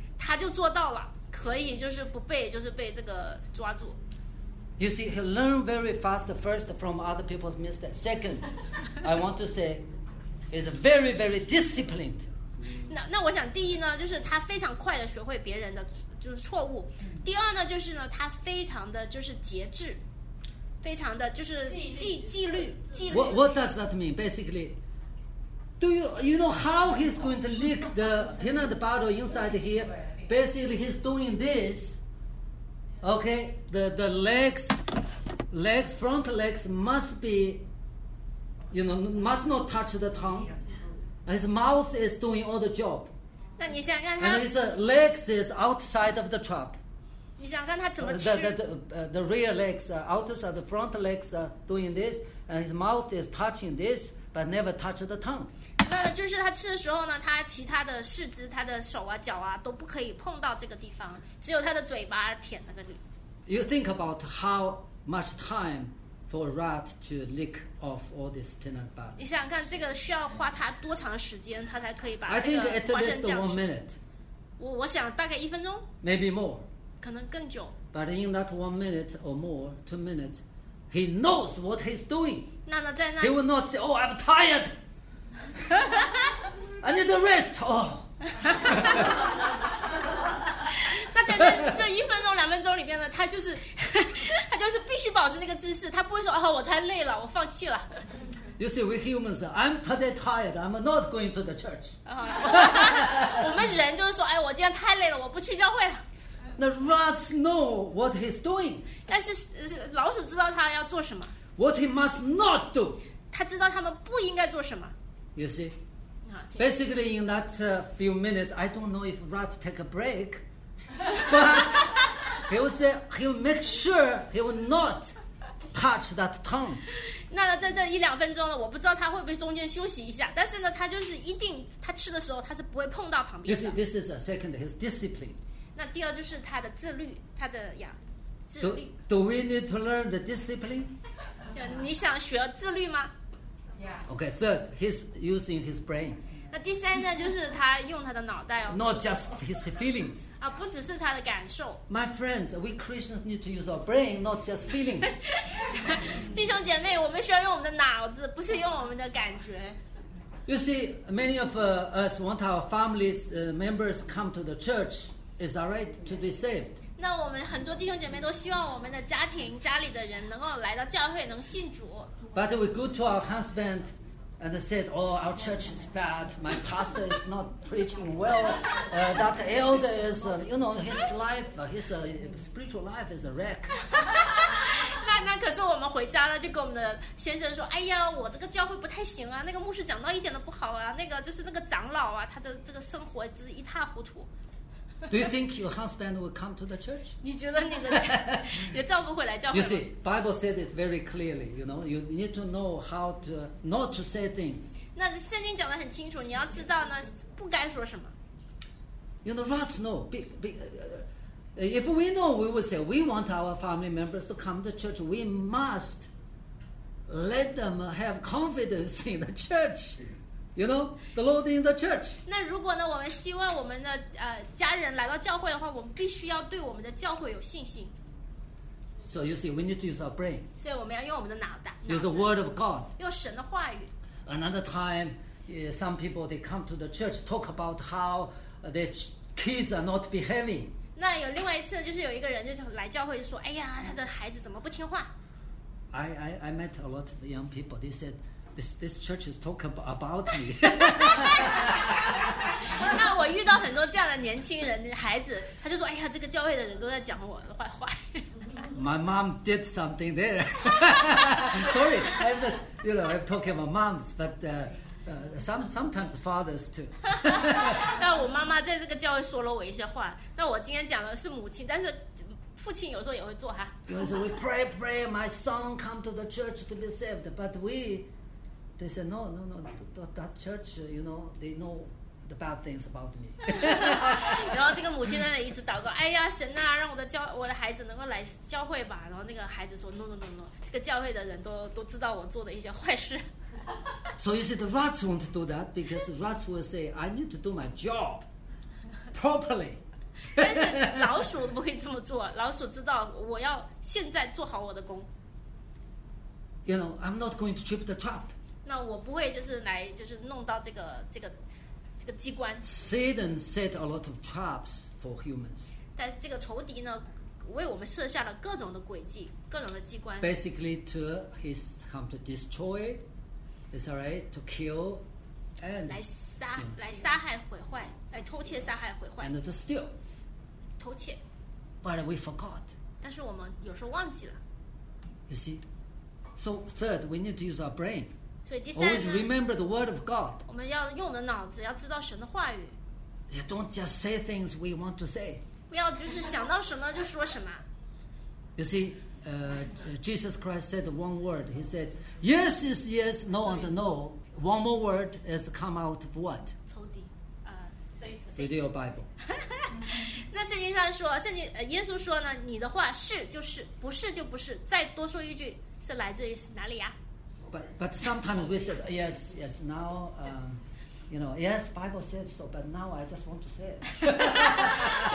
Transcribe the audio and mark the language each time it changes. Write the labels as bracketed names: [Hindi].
[Chinese] 他就做到了，可以就是不被，就是被这个抓住。 [English] You see, he learned very fast first from other people's mistakes. Second, I want to say, he's very, very disciplined. [Chinese] 那我想第一呢，就是他非常快的学会别人的就是错误。第二呢，就是呢，他非常的就是节制，非常的就是纪律。 [English] What does that mean? Basically. Do you know how he's going to lick the peanut butter inside here? Basically, he's doing this. Okay, the legs, front legs must be, you know, must not touch the tongue. His mouth is doing all the job. [Chinese] 那你想看他 [English] And his legs is outside of the trap. [Chinese] 你想看他怎么吃 [English] The rear legs, outside the front legs are doing this, and his mouth is touching this, but never touch the tongue. [Chinese] 那就是他吃的时候呢，他其他的四肢、他的手啊、脚啊都不可以碰到这个地方，只有他的嘴巴舔那个里。 [English] You think about how much time for a rat to lick off all this peanut butter? [Chinese] 你想看这个需要花他多长时间，他才可以把这个花生酱吃？ [English] I think at least 1 minute. [Chinese] 我想大概一分钟。 [English] Maybe more. [Chinese] 可能更久。 [English] But in that 1 minute or more, 2 minutes, he knows what he's doing. [Chinese] 那在那 [English] ，He will not say, "Oh, I'm tired." I need a rest. Oh. [Chinese] 那在这一分钟、两分钟里面呢，他就是必须保持那个姿势。他不会说：“哦，我太累了，我放弃了。” [English] You see, we humans, I'm today tired. I'm not going to the church. [Chinese] 我们人就是说：“哎，我今天太累了，我不去教会了。” [English] The rats know what he's doing. [Chinese] 但是老鼠知道他要做什么。 [English] What he must not do. [Chinese] 他知道他们不应该做什么。 [English] You see, basically in that few minutes, I don't know if rat take a break, but he will say he will make sure he will not touch that tongue. [Chinese] 那在这一两分钟呢，我不知道他会不会中间休息一下，但是呢，他就是一定他吃的时候他是不会碰到旁边的。 [English] You see, this is a second his discipline. [Chinese] 那第二就是他的自律，他的呀自律。 [English] Do we need to learn the discipline? [Chinese] 你想学自律吗？ [English] Okay, third, he's using his brain. [Chinese] 那第三呢，就是他用他的脑袋哦。 [English] Not just his feelings. [Chinese] 啊，不只是他的感受。 [English] My friends, we Christians need to use our brain, not just feelings. [Chinese] 弟兄姐妹，我们需要用我们的脑子，不是用我们的感觉。 [English] You see, many of us want our families members come to the church. Is that right to be saved? [Chinese] 那我们很多弟兄姐妹都希望我们的家庭家里的人能够来到教会，能信主。 [English] But we go to our husband. And they said, oh, our church is bad. My pastor is not preaching well. That elder is, you know, his life, his spiritual life is a wreck. [Chinese] 那可是我们回家了，就跟我们的先生说，哎呀，我这个教会不太行啊，那个牧师讲到一点都不好啊，那个就是那个长老啊，他的这个生活就是一塌糊涂。 [English] Do you think your husband will come to the church? [Chinese] 你觉得你的丈夫会来教会吗？ [English] You see, Bible said it very clearly, you know, you need to know how to not to say things. [Chinese] 那圣经讲得很清楚，你要知道呢，不该说什么。 [English] You know, rats know. If we know, we would say, we want our family members to come to church, we must let them have confidence in the church. You know, the Lord in the church. [Chinese] 那如果呢，我们希望我们的家人来到教会的话，我们必须要对我们的教会有信心。 [English] So you see, we need to use our brain. [Chinese] 所以我们要用我们的脑袋。 [English] Use the word of God. [Chinese] 用神的话语。 [English] Another time, some people they come to the church talk about how their kids are not behaving. [Chinese] 那有另外一次，就是有一个人就来教会就说，哎呀，他的孩子怎么不听话。 [English] I met a lot of young people. They said. This church is talk about me. [Chinese] 那我遇到很多这样的年轻人孩子，他就说，哎呀，这个教会的人都在讲我的坏话。 [English] My mom did something there. Sorry, I'm talking about moms, but sometimes fathers too. [Chinese] 那我妈妈在这个教会说了我一些话，那我今天讲的是母亲，但是父亲有时候也会做哈。 [English] So we pray, my son come to the church to be saved, but we. They said, no, that church, you know, they know the bad things about me. [Chinese] 然后这个母亲在那里一直祷告，哎呀，神啊，让我的孩子能够来教会吧。然后那个孩子说 no, 这个教会的人都知道我做的一些坏事。 [English] So you see, the rats won't do that because rats will say, I need to do my job properly. [Chinese] 但是老鼠不会这么做，老鼠知道我要现在做好我的工。 [English] You know, I'm not going to trip the trap. [Chinese] 那我不会就是来就是弄到这个机关。 [English] Satan set a lot of traps for humans. [Chinese] 但是这个仇敌呢，为我们设下了各种的诡计，各种的机关。 [English] Basically, to he's come to destroy, is that right? To kill, and [Chinese] 来杀害毁坏，来偷窃杀害毁坏。 [English] And to steal, [Chinese] 偷窃。 [English] But we forgot. [Chinese] 但是我们有时候忘记了。 [English] You see, so third, we need to use our brain. [Chinese] 所以第三呢， [English] Always remember the word of God. [Chinese] 我们要用我们的脑子，要知道神的话语。 [English] You don't just say things we want to say. [Chinese] 不要就是想到什么就说什么。 [English] You see, Jesus Christ said one word. He said, "Yes is yes, no and no." One more word has come out of what? [Chinese] 仇敌， [English] Satan. Read your Bible. [Chinese] 那圣经上说，圣经耶稣说呢，你的话是就是，不是就不是。再多说一句，是来自于哪里呀？ [English] But sometimes we said yes now, you know yes Bible said so but now I just want to say it.